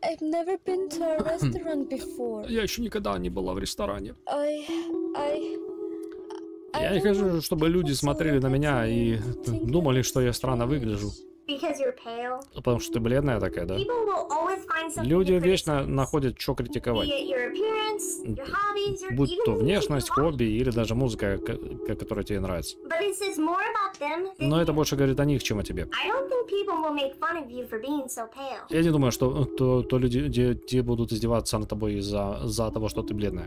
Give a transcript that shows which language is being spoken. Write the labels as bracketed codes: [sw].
[en] I've never been to a restaurant before. [ru] Я еще никогда не была в ресторане. [en] I [ru] я не хочу, чтобы люди смотрели на меня и думали, что я странно выгляжу. [en] Because you're pale. [ru] Потому что ты бледная такая, да? [en] People will always find something. [ru] Люди вечно находят, что критиковать. [en] Your appearance, your hobbies, your... [ru] Будь то внешность, хобби или даже музыка, которая тебе нравится. [en] But it says more about them than... [ru] Но это больше говорит о них, чем о тебе. [en] I don't think people will make fun of you for being so pale. [ru] Я не думаю, что то люди те будут издеваться над тобой из-за того, что ты бледная.